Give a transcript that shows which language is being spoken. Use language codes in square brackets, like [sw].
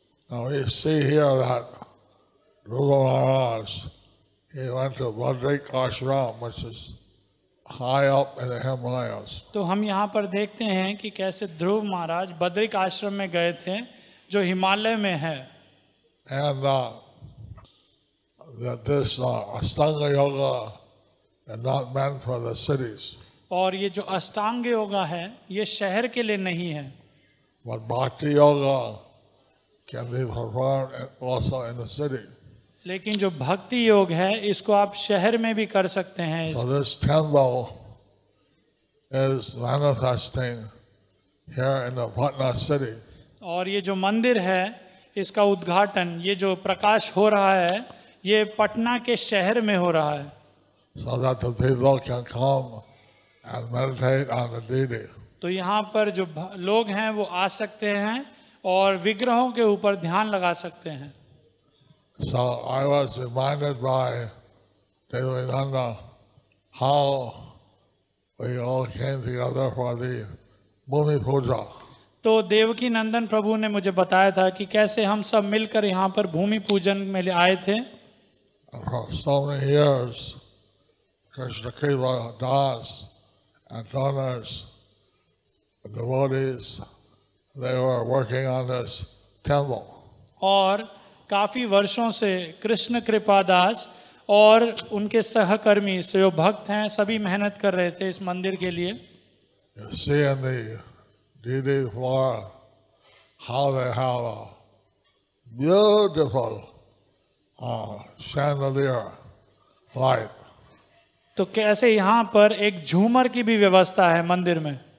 [en] Now we see here that Ruga Maharaj, he went to Bhadrika Ashram, which is high up in the Himalayas. [hi] तो हम यहाँ पर देखते हैं कि कैसे ध्रुव महाराज बद्रिक आश्रम में गए थे जो हिमालय में है [en] And that this Ashtanga Yoga is not meant for the cities. [hi] और ये जो अष्टांग योग है ये शहर के लिए नहीं है [en] But Bhakti Yoga can be performed also in the city. [hi] लेकिन जो भक्ति योग है इसको आप शहर में भी कर सकते हैं [en] So this temple is manifesting here in the Patna city. [hi] और ये जो मंदिर है इसका उद्घाटन ये जो प्रकाश हो रहा है ये पटना के शहर में हो रहा है [en] So that the people can come and meditate on the deity. [hi] तो यहाँ पर जो लोग हैं वो आ सकते हैं और विग्रहों के ऊपर ध्यान लगा सकते हैं [en] So I was reminded by Devananda how we all came together for the Bhumi Puja. [hi] तो देवकी नंदन प्रभु ने मुझे बताया था कि कैसे हम सब मिलकर यहाँ पर भूमि पूजन में आए थे [en] For so many years, Krishna Kripa Das and donors, devotees, they were working on this temple. [hi] और काफी वर्षों से कृष्ण कृपा दास और उनके सहकर्मी से जो भक्त हैं सभी मेहनत कर रहे थे इस मंदिर के लिए तो कैसे यहाँ पर एक झूमर की भी व्यवस्था है मंदिर में